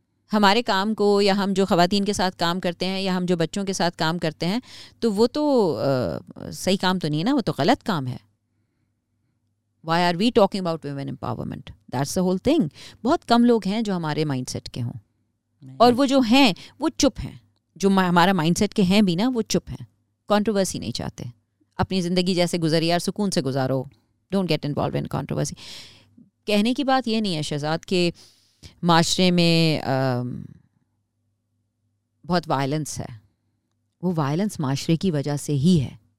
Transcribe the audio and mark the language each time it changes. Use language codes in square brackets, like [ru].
[ur] ہمارے کام کو یا ہم جو خواتین کے ساتھ کام کرتے ہیں یا ہم جو بچوں کے ساتھ کام کرتے ہیں تو وہ تو صحیح کام تو نہیں ہے نا, وہ تو غلط کام ہے. [en] Why are we talking about women empowerment? That's the whole thing. [ur] بہت کم لوگ ہیں جو ہمارے مائنڈ سیٹ کے ہوں, اور وہ جو ہیں وہ چپ ہیں. جو ہمارا مائنڈ سیٹ کے ہیں بھی نا وہ چپ ہیں, کانٹروورسی نہیں چاہتے. اپنی زندگی جیسے گزاری اور سکون سے گزارو, [en] Don't get involved in controversy. [ur] کہنے کی بات یہ نہیں ہے شہزاد کہ معاشرے میں بہت وائلنس ہے, وہ وائلنس معاشرے کی وجہ سے ہی ہے.